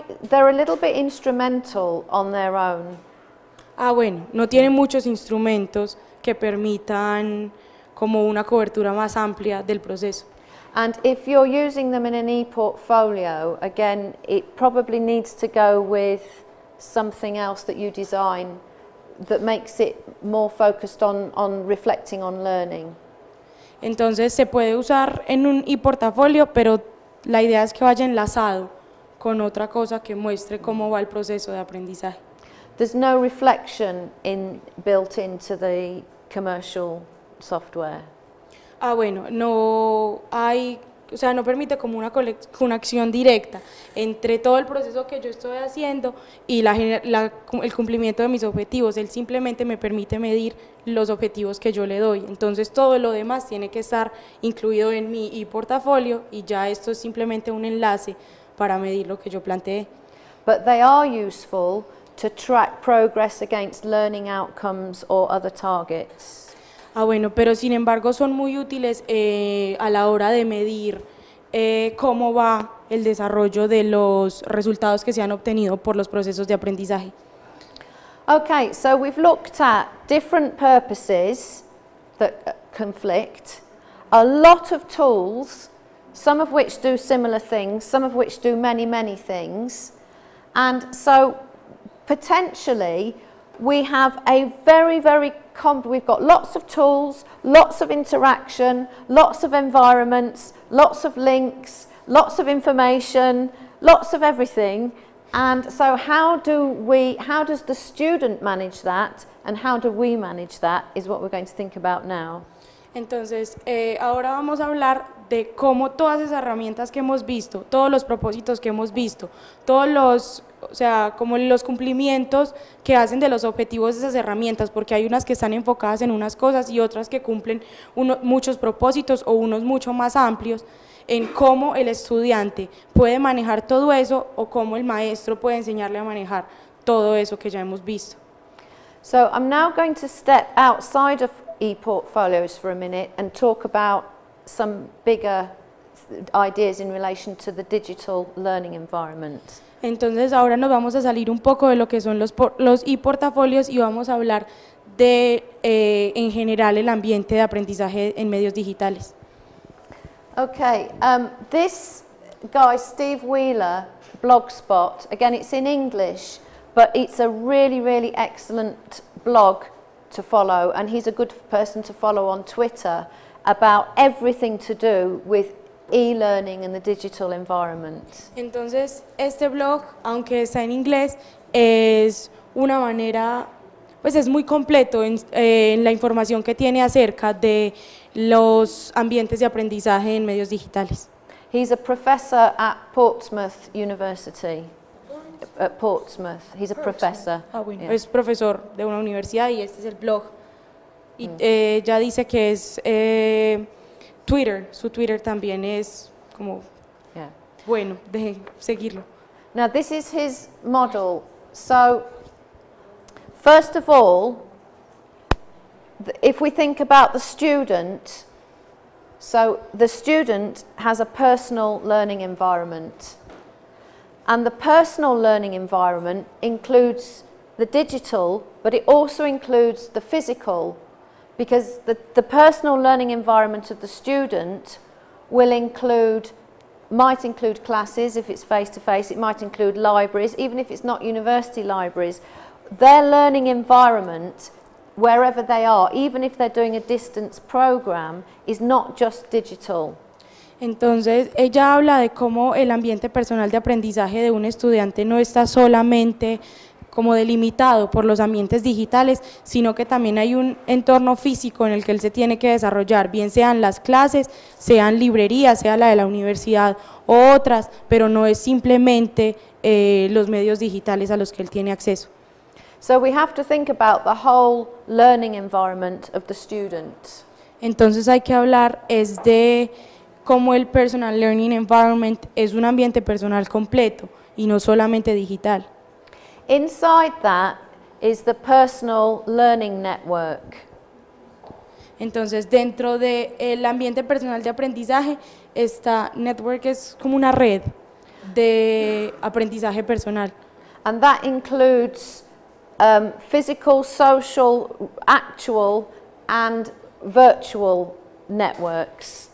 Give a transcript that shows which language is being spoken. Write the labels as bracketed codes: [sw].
[en] They're a little bit instrumental on their own. [es] Ah, bueno, no tienen muchos instrumentos que permitan como una cobertura más amplia del proceso. [en] And if you're using them in an e-portfolio, again, it probably needs to go with something else that you design that makes it more focused on reflecting on learning. [es] Entonces, se puede usar en un e-portafolio, pero la idea es que vaya enlazado con otra cosa que muestre cómo va el proceso de aprendizaje. [en] There's no reflection built into the commercial software. [es] Ah, bueno, no hay, o sea, no permite como una conexión directa entre todo el proceso que yo estoy haciendo y el cumplimiento de mis objetivos. Él simplemente me permite medir los objetivos que yo le doy. Entonces, todo lo demás tiene que estar incluido en mi e-portafolio y ya esto es simplemente un enlace para medir lo que yo planteé. [en] But they are useful to track progress against learning outcomes or other targets. [es] Ah, bueno, pero sin embargo son muy útiles a la hora de medir cómo va el desarrollo de los resultados que se han obtenido por los procesos de aprendizaje. [en] Okay, so we've looked at different purposes that conflict, a lot of tools, some of which do similar things, some of which do many, many things, and so potentially we have a very, very we've got lots of tools, lots of interaction, lots of environments, lots of links, lots of information, lots of everything. And so how does the student manage that, and how do we manage that is what we're going to think about now. [es] Entonces, ahora vamos a hablar de cómo todas esas herramientas que hemos visto, todos los propósitos que hemos visto, todos los, o sea, como los cumplimientos que hacen de los objetivos de esas herramientas, porque hay unas que están enfocadas en unas cosas y otras que cumplen muchos propósitos o unos mucho más amplios, en cómo el estudiante puede manejar todo eso o cómo el maestro puede enseñarle a manejar todo eso que ya hemos visto. [en] So I'm now going to step outside of e-portfolios for a minute and talk about some bigger ideas in relation to the digital learning environment. [es] Entonces ahora nos vamos a salir un poco de lo que son los e-portafolios y vamos a hablar de en general el ambiente de aprendizaje en medios digitales. [en] Okay, this guy Steve Wheeler Blogspot, again it's in English, but it's a really really excellent blog to follow, and he's a good person to follow on Twitter about everything to do with e-learning and the digital environment. [es] Entonces, este blog, aunque está en inglés, es una manera, pues es muy completo en la información que tiene acerca de los ambientes de aprendizaje en medios digitales. [en] He's a professor at Portsmouth University. At Portsmouth, he's a professor. [es] Ah, bueno. Yeah. Es profesor de una universidad y este es el blog. Y ya dice que es Twitter, su Twitter también es como bueno de seguirlo. [en] Now this is his model. So first of all, if we think about the student, so the student has a personal learning environment. And the personal learning environment includes the digital, but it also includes the physical, because the personal learning environment of the student will include, might include classes if it's face-to-face, it might include libraries, even if it's not university libraries. Their learning environment, wherever they are, even if they're doing a distance program, is not just digital. [es] Entonces, ella habla de cómo el ambiente personal de aprendizaje de un estudiante no está solamente como delimitado por los ambientes digitales, sino que también hay un entorno físico en el que él se tiene que desarrollar, bien sean las clases, sean librerías, sea la de la universidad o otras, pero no es simplemente los medios digitales a los que él tiene acceso. [en] So we have to think about the whole learning environment of the student. [es] Entonces hay que hablar es de como el personal learning environment es un ambiente personal completo y no solamente digital. [en] Inside that is the personal learning network. [es] Entonces, dentro de el ambiente personal de aprendizaje, esta network es como una red de aprendizaje personal. [en] And that includes physical, social, actual and virtual networks.